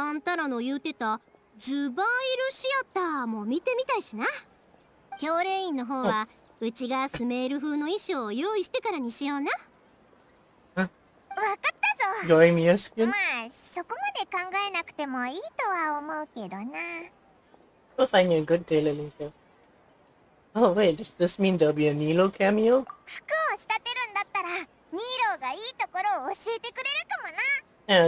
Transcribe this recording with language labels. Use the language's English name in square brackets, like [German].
[Japanese] あんたらの言うてたズバイルシアターも見てみたいしな。教練員の方はうちがスメール風の衣装を用意してからにしような。わかったぞ。よいみやすけ。まあそこまで考えなくてもいいとは思うけどな。 [English] We'll find you a good tailor, Lisa. Oh wait, does this mean there'll be a Nilo cameo? [Japanese] 服を仕立てるんだったらニーローがいいところを教えてくれるかもな。